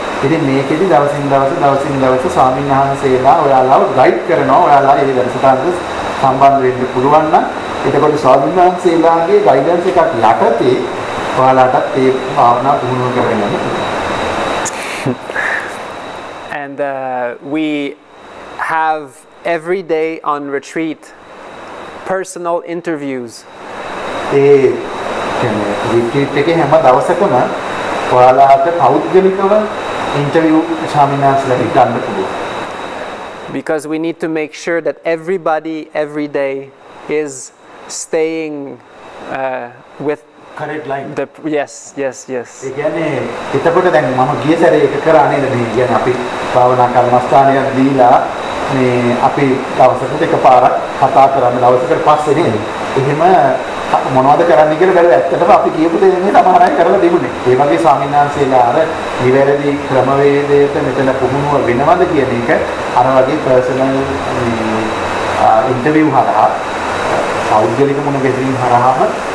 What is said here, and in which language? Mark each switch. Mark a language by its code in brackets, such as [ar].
[si] ඉතින් මේකෙදි දවසින් දවස ස්වාමීන් වහන්සේලා ඔයාලව ගයිඩ් කරනවා. ඔයාලා මේ වැඩසටහනට සම්බන්ධ වෙන්න පුළුවන් නම් එතකොට ස්වාමීන් වහන්සේලාගේ ගයිඩන්ස් එකක් යටතේ ඔයාලටත් මේ භාවනා පුහුණු කරගන්න පුළුවන්. [en] And we have every day on retreat personal interviews. Because we need to make sure that everybody every day is staying with correct line. The yes, yes, yes. [si] ඒ කියන්නේ දැන් මම ගිය සැරේ එක කරා නේද මේ කියන්නේ අපි භාවනා කර්මස්ථානයක් දීලා මේ අපි දවසකට එකපාරක් කතා කරන්න දවසකට පස්සේ නේද එහෙම මොනවද කරන්න කියලා බැලුවා ඇත්තටම අපි කියපු දේ නේද සමහර අය කරලා තිබුණේ ඒ වගේ ස්වාමීන් වහන්සේලා අර නිවැරදි ක්‍රමවේදයට මෙතන පුහුණුව වෙනවද කියන එක අර වගේ personal මේ interview හරහා සෞද්ධලික මොන ගැටලුවක් හරහාම